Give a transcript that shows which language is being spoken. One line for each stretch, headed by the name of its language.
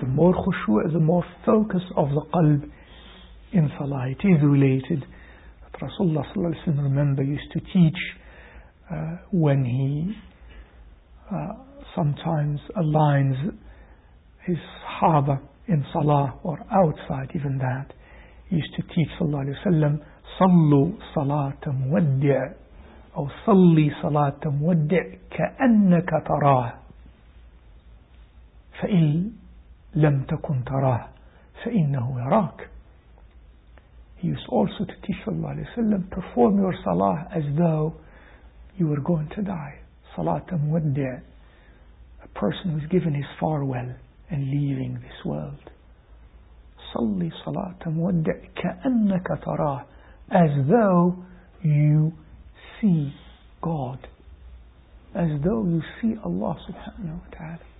English: The more khushu'ah, the more focus of the qalb in salah. It is related that Rasulullah sallallahu alayhi wa sallam, remember, used to teach when he sometimes aligns his sahaba in salah or outside even that. He used to teach sallallahu alayhi wa sallam,
Arabic: صلوا صلاة مودع أو صلي صلاة مودع كأنك تراه فإن لم تكن تراه فإنه يراك.
English: He used also to teach sallallahu alayhi wa sallam, perform your salah as though you were going to die.
Arabic: صلاة مودع,
English: a person who is given his farewell and leaving this world.
Arabic: صلي صلاة مودع كأنك تراه,
English: as though you see God, as though you see Allah subhanahu wa ta'ala.